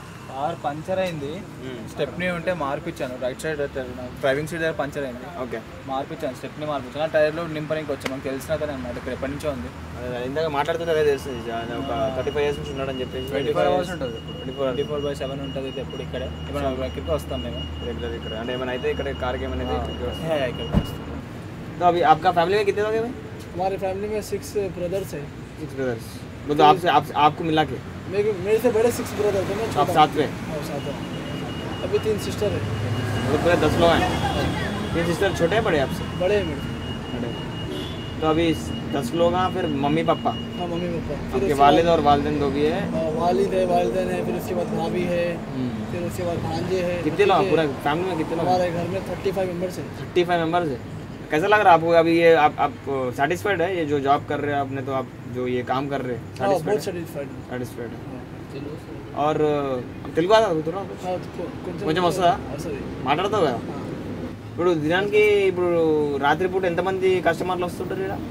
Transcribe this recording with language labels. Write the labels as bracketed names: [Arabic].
[Telugu] Car puncture అయింది, stepney ఉంటే మార్పు ఇచ్చాను. రైట్ సైడ్ డ్రైవింగ్ సీట్ దగ్గర పంచర్ అయింది. [English] okay, [Telugu] మార్పు ఇచ్చాను, స్టెప్ని మార్పు ఇచ్చాను. టైర్లో నింపడానికి వచ్చాను, మనకు తెలిసిన కదా అనమాట, ఇక్కడ ఎప్పటి నుంచో ఉంది. ఇందాక మాట్లాడుతుంది అదే తెలుసు, ఒక 35 ఇయర్స్ నుంచి ఉన్నాడని చెప్పేసి. 24 అవర్స్ ఉంటుంది, 24/7 ఉంటుంది. ఇది ఎప్పుడు ఇక్కడే ఇక్కడికి వస్తాం మేము రెగ్యులర్ ఇక్కడ. అంటే ఏమైనా అయితే ఇక్కడ కార్కి ఏమైనా ఇక్కడికి వస్తాం. [Hindi] तो अभी आपका फैमिली में कितने लोग हैं? हमारे फैमिली में 6 ब्रदर्स हैं। 6 ब्रदर्स मतलब आपसे आपको मिला के? मेरे से बड़े 6 ब्रदर्स हैं। आप सातवें? हाँ, सातवें। अभी 3 सिस्टर हैं। मतलब पूरे 10 लोग हैं। 3 सिस्टर छोटे हैं बड़े आपसे? बड़े हैं मेरे। तो अभी 10 लोग हैं, फिर मम्मी पापा? हाँ, मम्मी पापा। आपके वालिद और वालदेन दो भी हैं? वालिद है, वालिदेन है, फिर उसके बाद भाभी है, फिर उसके बाद भांजे हैं। कितने लोग पूरे फैमिली में? कितने लोग हमारे घर में? 35 मेंबर्स हैं। 35 मेंबर्स है। कैसा लग रहा आपको अभी ये? आप सैटिस्फाइड है ये जो जॉब कर रहे हैं आपने? तो आप जो ये काम कर रहे हैं बहुत सैटिस्फाइड है। और तेलुगु आता है थोड़ा? कुछ मस्त माटाड़ता होगा [Telugu] ఇప్పుడు దినానికి? ఇప్పుడు రాత్రిపూట ఎంతమంది కస్టమర్లు వస్తుంటారు?